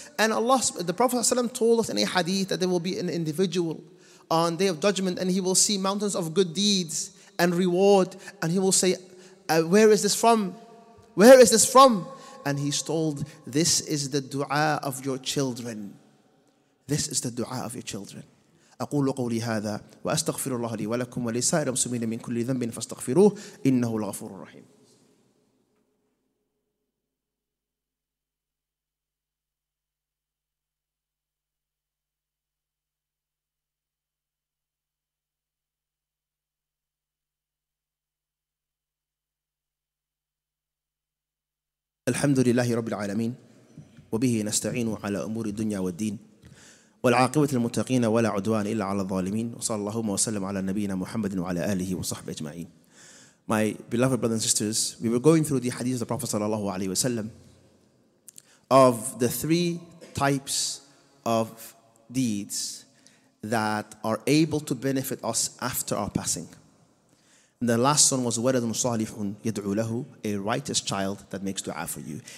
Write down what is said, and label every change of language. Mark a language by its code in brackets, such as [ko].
[en] And Allah, the Prophet ﷺ told us in a hadith that there will be an individual on Day of Judgment and he will see mountains of good deeds and reward. And he will say, where is this from? Where is this from? And he's told, this is the dua of your children. This is the dua of your children. [ar] أقول قولي هذا وأستغفر الله لي ولكم ولسائر المسلمين من كل ذنب فاستغفروه إنه الغفور الرحيم. الحمد لله رب العالمين وبه نستعين على أمور الدنيا والدين والعاقبة المتقين ولا عدوان إلا على الظالمين وصلى الله وسلم على نبينا محمد وعلى آله وصحبه أجمعين. [en] My beloved brothers and sisters, we were going through the hadith of the Prophet [ar] صلى الله عليه وسلم [en] of the three types of deeds that are able to benefit us after our passing. And the last one was [ar] ولد صالح يدعو له, [en] a righteous child that makes dua for you.